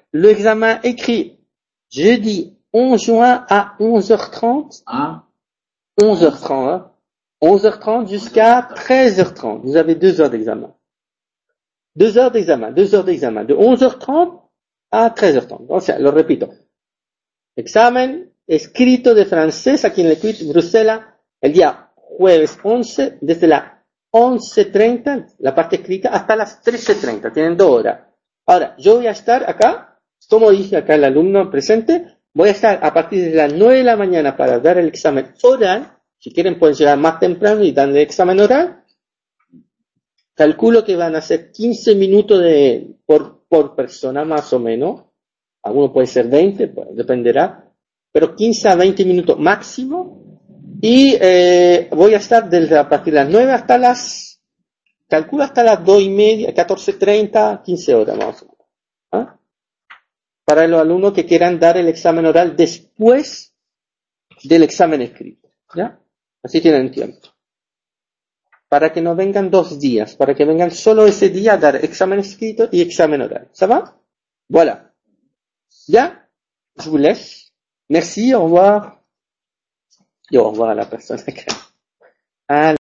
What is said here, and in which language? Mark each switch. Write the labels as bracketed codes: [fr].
[fr] L'examen écrit jeudi 11 juin à 11h30. À 11h30, hein. 11h30 jusqu'à 13h30. Vous avez 2 heures d'examen. Deux heures d'examen, de 11h30 à 13h30. Donc, je le répète. [es] Examen escrito de francés, aquí en le Quit, Bruxelles, el día jueves 11, desde las 11h30, la parte escrita, hasta las 13h30, tienen 2 horas. Ahora, yo voy a estar acá, como dije acá el alumno presente, voy a estar a partir de las 9 de la mañana para dar el examen oral. Si quieren pueden llegar más temprano y dar el examen oral. Calculo que van a ser 15 minutos por persona, más o menos. Alguno puede ser 20, pues, dependerá. Pero 15 a 20 minutos máximo. Y voy a estar desde a partir de las 9 hasta las... Calculo hasta las 2 y media, 14:30, 15 horas más o menos. ¿Eh? Para los alumnos que quieran dar el examen oral después del examen escrito. ¿Ya? Así tienen tiempo. Para que no vengan 2 días, para que vengan solo ese día a dar examen escrito y examen oral. [fr] ¿Ça va? Voilà. Ya. Je vous laisse. Merci. Au revoir. [es] Y [fr] au revoir [es] a la persona que.